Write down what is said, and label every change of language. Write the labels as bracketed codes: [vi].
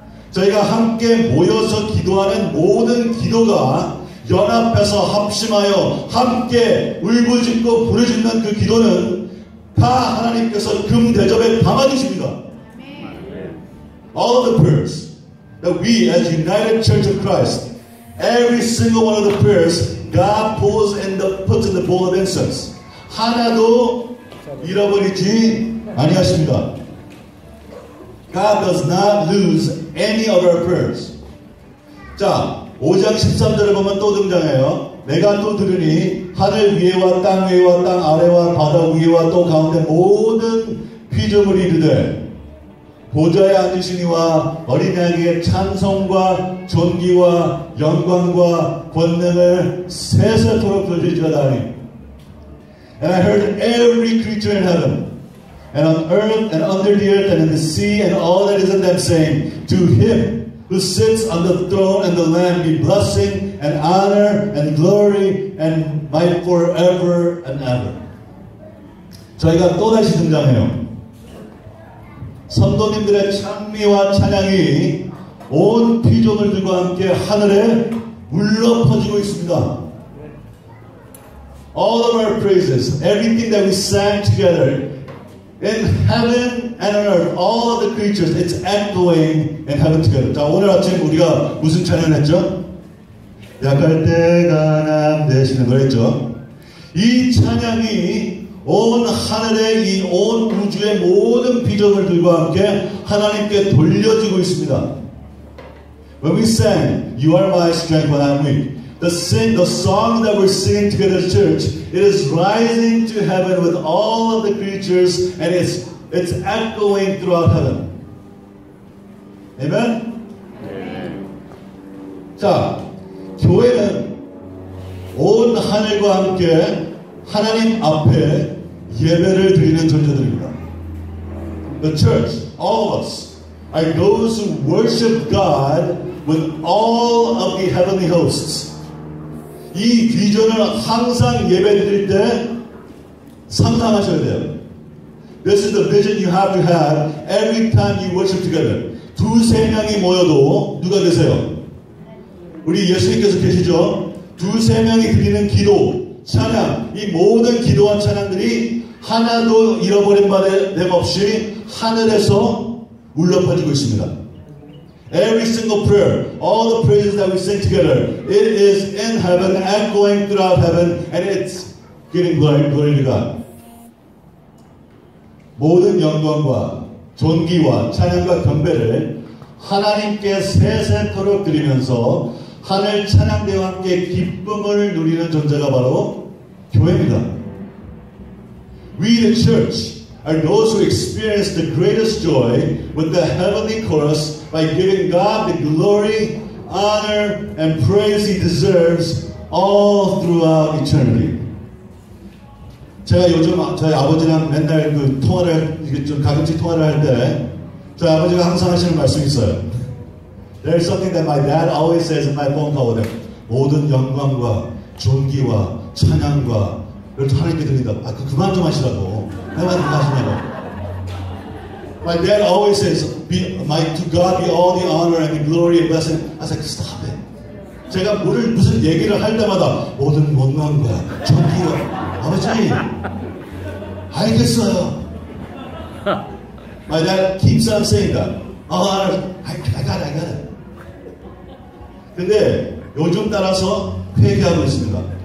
[ko] 저희가 함께 모여서 기도하는 모든 기도가 연합해서 합심하여 함께 울부짖고 부르짖는 그 기도는 다 하나님께서 금 대접에 담아주십니다. [en] All of the prayers that we as United Church of Christ, every single one of the prayers God pulls and puts in the bowl of incense. [ko] 하나도 잃어버리지 아니하십니다. [en] God does not lose any of our prayers. [ko] 자, 5장 13절을 보면 또 등장해요. 내가 또 들으니 하늘 위에와 땅 위에와 땅 아래와 바다 위에와 또 가운데 모든 피조물이 이르되 보좌에 앉으신 이와 어린 양에게 찬송과 존귀와 영광과 권능을 세세토록 돌리지어다 하니 [en] And I heard every creature in heaven and on earth and under the earth and in the sea and all that is in them saying to him who sits on the throne and the Lamb be blessing and honor and glory and might forever and ever. [ko] 저희가 또다시 등장해요. 성도님들의 찬미와 찬양이 온 피조물들과 함께 하늘에 울려퍼지고 있습니다. [en] All of our praises, everything that we sang together in heaven and on earth, all of the creatures, it's echoing in heaven together. [ko] 자, 오늘 아침 우리가 무슨 찬양을 했죠? 약할 때가 남대신의 노래죠. 이 찬양이 온 하늘에 이 온 우주의 모든 비전들과 함께 하나님께 돌려지고 있습니다. [en] When we sang, You are my strength when I'm weak. The song that we're singing together, church, it is rising to heaven with all of the creatures and it's echoing throughout heaven. Amen? Amen. [ko] 자, 교회는 온 하늘과 함께 하나님 앞에 예배를 드리는 존재들입니다. [en] The church, all of us, are those who worship God with all of the heavenly hosts. [ko] 이 비전을 항상 예배 드릴 때 상상하셔야 돼요. [en] This is the vision you have to have every time you worship together. [ko] 두세 명이 모여도 누가 되세요? 우리 예수님께서 계시죠? 두세 명이 드리는 기도, 찬양, 이 모든 기도와 찬양들이 하나도 잃어버린 바됨 없이 하늘에서 울려퍼지고 있습니다. [en] Every single prayer, all the praises that we sing together, it is in heaven and going throughout heaven, and it's getting glory to God. [ko] 모든 영광과 존귀와 찬양과 경배를 하나님께 세세토록 드리면서 하늘 찬양대와 함께 기쁨을 누리는 존재가 바로 교회입니다. [en] We the church are those who experience the greatest joy with the heavenly chorus by giving God the glory, honor, and praise He deserves all throughout eternity. [ko] 제가 요즘 저희 아버지랑 맨날 그 통화를 좀 가끔씩 통화를 할 때 저희 아버지가 항상 하시는 말씀이 있어요. [en] There's something that my dad always says in my phone call with him. [ko] 모든 영광과 존귀와 찬양과 를 하나님께 드립니다. 아, 그만 좀 하시라고. 그만 좀 하시라고. [en] My dad always says, to God be all the honor and the glory and blessing. I said, stop it. [ko] 제가 뭘 무슨 얘기를 할 때마다 모든 영광과 존귀와 아버지, 알겠어요. [en] My dad keeps on saying that. All honor, I got it. [ko] 근데 요즘 따라서 회개하고 있습니다.